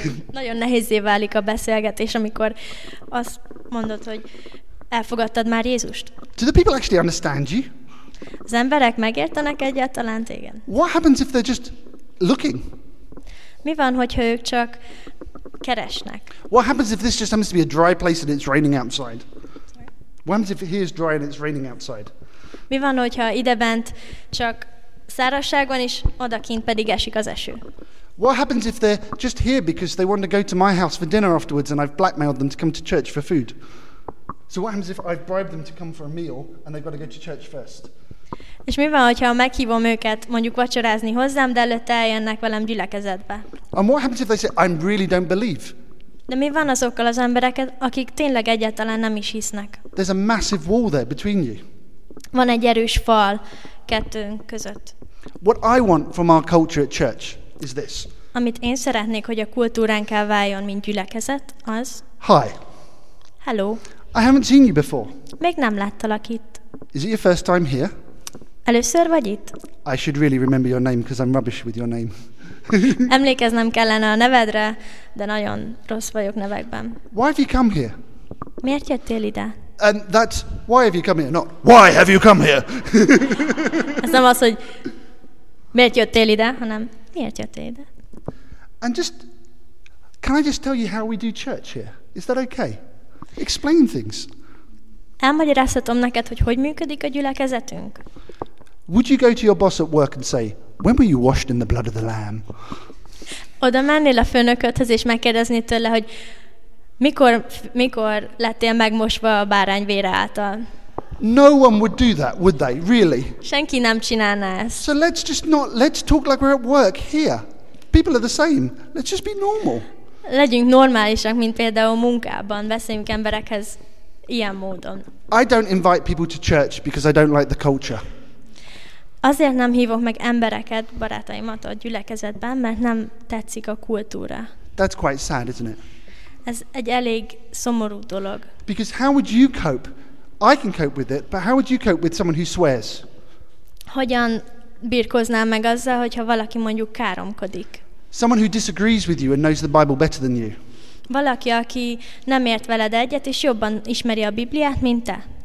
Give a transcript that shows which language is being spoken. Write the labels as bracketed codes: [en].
[hu] Nagyon nehézé válik a beszélgetés, amikor azt mondod, hogy elfogadtad már Jézust? [en] Do the people actually understand you? [hu] Az emberek megértenek egyáltalán téged? [en] What happens if they're just looking? [hu] Mi van, hogyha ők csak keresnek? [en] What happens if this just happens to be a dry place and it's raining outside? Sorry? What happens if here's dry and it's raining outside? [hu] Mi van, hogyha idebent csak szárazság van, és odakint pedig esik az eső? [en] What happens if they're just here because they want to go to my house for dinner afterwards and I've blackmailed them to come to church for food? So what happens if I've bribed them to come for a meal and they've got to go to church first? [hu] És mi van, hogyha meghívom őket mondjuk vacsorázni hozzám, de előtte eljönnek velem gyülekezetbe? [en] And what happens if they say, I really don't believe? [hu] De mi van azokkal az embereket, akik tényleg egyáltalán nem is hisznek? [en] There's a massive wall there between you. [hu] Van egy erős fal kettőnk között. [en] What I want from our culture at church is this. [hu] Amit én szeretnék, hogy a kultúránká váljon, mint gyülekezet, az... [en] Hi. Hello. I haven't seen you before. [hu] Még nem láttalak itt. [en] Is it your first time here? [hu] Először vagy itt? [en] I should really remember your name because I'm rubbish with your name. [hu] Emlékeznem kellene a nevedre, de nagyon rossz vagyok nevekben. [en] Why have you come here? [hu] Miért jöttél ide? [en] And that's why have you come here, not why have you come here? [hu] Ez nem az, hogy miért jöttél ide, hanem miért jöttél ide? [en] And just, can I just tell you how we do church here? Is that okay? Explain things. [hu] Elmagyarázhatom neked, hogy hogy működik a gyülekezetünk? [en] Would you go to your boss at work and say, when were you washed in the blood of the lamb? [hu] Oda mennél a főnöködhez és megkérdezni tőle, hogy mikor lettél megmosva a bárány vére által? [en] No one would do that, would they? Really? [hu] Senki nem csinálná ezt. [en] So let's talk like we're at work here. People are the same. Let's just be normal. [hu] Legyünk normálisak, mint például munkában. Beszéljünk emberekhez ilyen módon. [en] I don't invite people to church because I don't like the culture. [hu] Azért nem hívok meg embereket, barátaimat a gyülekezetben, mert nem tetszik a kultúra. [en] That's quite sad, isn't it? [hu] Ez egy elég szomorú dolog. [en] Because how would you cope? I can cope with it, but how would you cope with someone who swears? [hu] Hogyan birkoznál meg azzal, hogyha valaki mondjuk káromkodik? [en] Someone who disagrees with you and knows the Bible better than you. [hu] Valaki, aki nem ért veled egyet, és jobban ismeri a Bibliát, mint te.